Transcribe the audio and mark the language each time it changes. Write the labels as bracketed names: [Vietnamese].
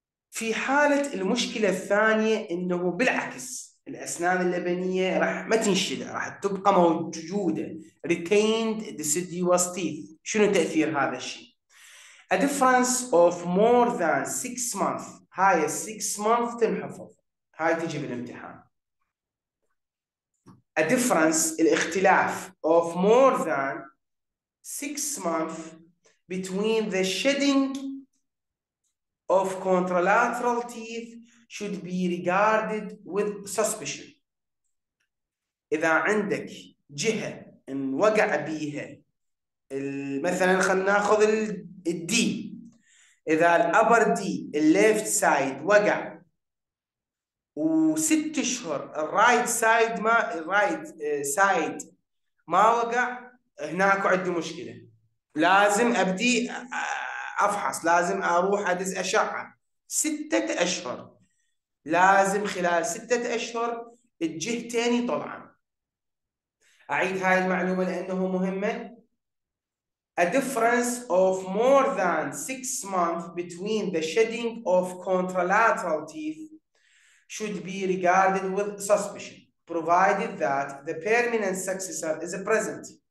[Arabic] في حالة المشكلة الثانية إنه بالعكس، الأسنان اللبنية راح ما تنشل، راح تبقى موجودة retained deciduous teeth، شنو تأثير هذا الشيء؟ [English] A difference of more than 6 months، [Arabic] هاي الـ 6 months تنحفظ، هاي تجي بالامتحان. [English] A difference، الاختلاف of more than 6 months between the shedding of contralateral teeth should be regarded with suspicion. [Arabic] إذا عندك جهة إن وقع بيها مثلا خلينا ناخذ الدي، اذا الابر دي الليفت سايد وقع وست اشهر الرايت سايد ما الرايت سايد ما وقع، هناك عندي مشكله، لازم ابدي افحص، لازم اروح ادز اشعه 6 اشهر، لازم خلال 6 اشهر تجه تاني طبعا. اعيد هاي المعلومه لانه مهمه. [English] A difference of more than 6 months between the shedding of contralateral teeth should be regarded with suspicion, provided that the permanent successor is present.